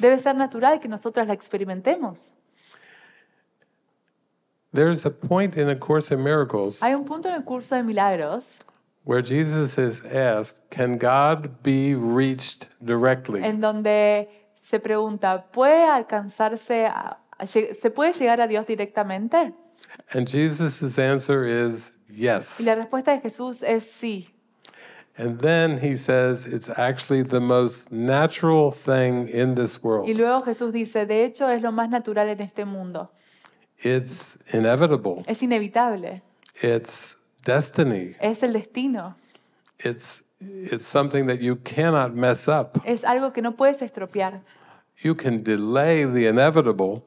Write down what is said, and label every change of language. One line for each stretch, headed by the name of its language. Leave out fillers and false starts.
Spanish: Debe ser natural que nosotras la experimentemos.
English: There's a point in A Course in Miracles.
Spanish: Hay un punto en el curso de milagros.
English: Where Jesus is asked, can God be reached directly?
Spanish: En donde se pregunta, ¿puede alcanzarse, se puede llegar a Dios directamente?
English: And Jesus's answer is yes.
Spanish: Y la respuesta de Jesús es sí.
English: And then he says, it's actually the most natural thing in this world.
Spanish: Y luego Jesús dice, de hecho es lo más natural en este mundo.
English: It's inevitable.
Spanish: Es inevitable.
English: It's destiny.
Spanish: Es el destino.
English: It's something that you cannot mess up.
Spanish: Es algo que no puedes estropear.
English: You can delay the inevitable.